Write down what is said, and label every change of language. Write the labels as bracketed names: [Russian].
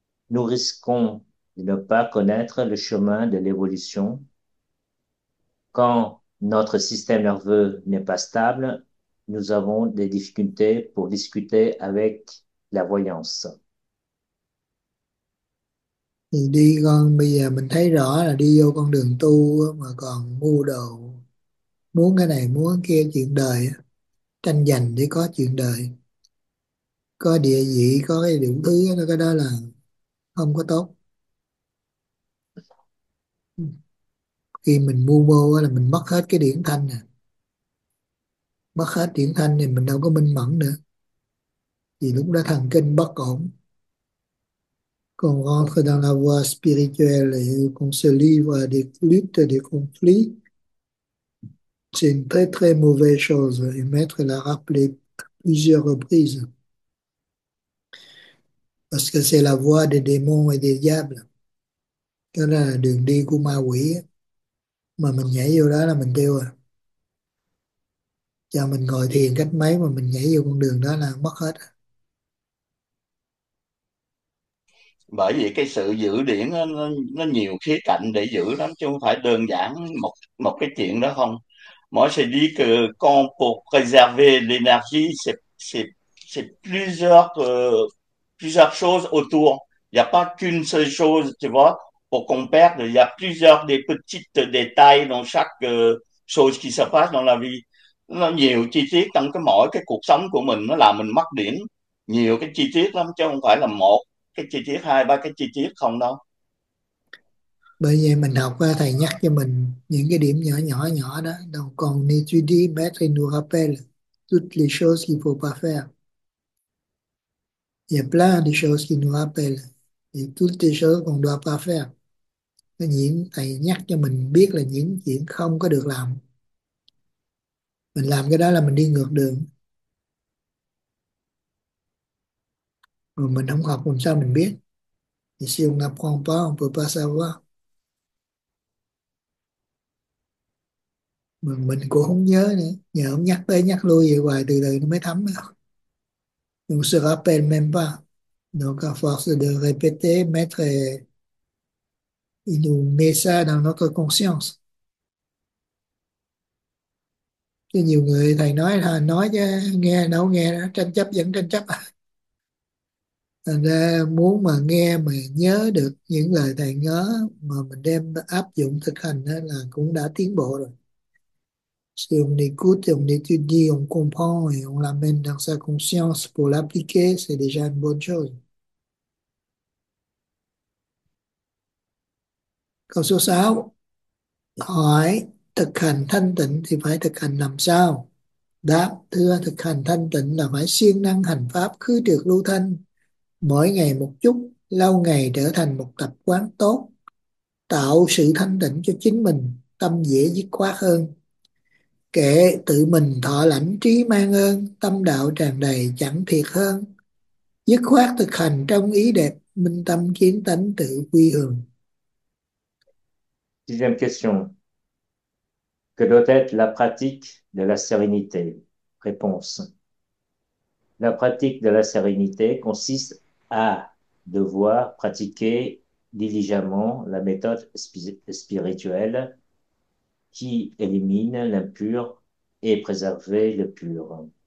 [French] Nous risquons de ne pas connaître le chemin de l'évolution quand notre système nerveux n'est pas stable, nous avons des difficultés pour discuter avec la voyance. [Vietnamese] Thì đi con bây giờ mình thấy rõ là đi vô con đường tu mà còn mưu đồ muốn cái này muốn cái kia, chuyện đời tranh giành để có chuyện đời, có địa vị, có cái đủ thứ đó, cái đó là không có tốt. Mình mưu mô là mình mất hết cái điển thanh nè, mất hết điển thanh thì mình đâu có minh mẫn nữa, thì lúc đó thần kinh bất ổn. [French] Qu'on rentre dans la voie spirituelle et qu'on se livre à des luttes, des conflits, c'est une très très mauvaise chose. Et Maître l'a rappelé plusieurs reprises. Parce que c'est la voie des démons et des diables. [Vietnamese] Đó là đường đi của ma quỷ. Mà mình nhảy vô đó là mình tiêu à. Cho mình ngồi thiền cách mấy mà mình nhảy vô con đường đó là mất hết. Bởi vì cái sự giữ điển nó nhiều khía cạnh để giữ lắm, chứ không phải đơn giản một một cái chuyện đó không. [French] Moi je dis que quand pour préserver l'énergie c'est plusieurs choses autour, il n'y a pas qu'une seule chose, tu vois, pour qu'on perde, il y a plusieurs des petits détails dans chaque chose qui se passe dans la vie, [Vietnamese] nó nhiều chi tiết trong cái mỗi cái cuộc sống của mình, nó làm mình mất điển nhiều cái chi tiết lắm, chứ không phải là một. cái chi tiết, hai ba cái chi tiết không đâu. Bởi vậy mình học thầy nhắc cho mình những cái điểm nhỏ nhỏ nhỏ đó. Đâu còn [French] ni tu di mettre nous rappel toutes les choses qu'il faut pas faire. Il y a plein de choses qui nous rappellent. Il y a toutes les choses qu'on doit pas faire. [Vietnamese] Những thầy nhắc cho mình biết là những chuyện không có được làm. Mình làm cái đó là mình đi ngược đường. Rồi mình không học làm sao mình biết. [French] Thì si on n'apprend pas, on peut pas savoir. [Vietnamese] Mình cũng không nhớ nữa. Nhờ ông nhắc tới nhắc lui vậy hoài từ từ nó mới thấm. [French] On se rappelle même pas. Donc à force de répéter, maître, il nous met ça dans notre conscience. [Vietnamese] Chứ nhiều người thầy nói là nói chứ nghe đâu nghe đó, tranh chấp vẫn tranh chấp. Thành ra muốn mà nghe mà nhớ được những lời thầy nhớ mà mình đem áp dụng thực hành đó là cũng đã tiến bộ rồi. [French] Si on écoute, on étudie, on comprend et on l'amène dans sa conscience pour l'appliquer, c'est déjà une bonne chose. [Vietnamese] Câu số 6. Hỏi thực hành thanh tịnh thì phải thực hành làm sao? Đáp, thưa, thực hành thanh tịnh là phải siêng năng hành pháp khứ trược lưu thanh. Mỗi ngày một chút, lâu ngày trở thành một tập quán tốt. Tạo sự thanh tịnh cho chính mình, tâm dễ dứt khoát hơn. Kệ tự mình thọ lãnh trí mang ơn, tâm đạo tràn đầy chẳng thiệt hơn. Dứt khoát thực hành trong ý đẹp, minh tâm kiến tánh tự quy hướng. [French] Deuxième question. Que doit être la pratique de la sérénité? Réponse. La pratique de la sérénité consiste à devoir pratiquer diligemment la méthode spirituelle qui élimine l'impur et préserver le pur.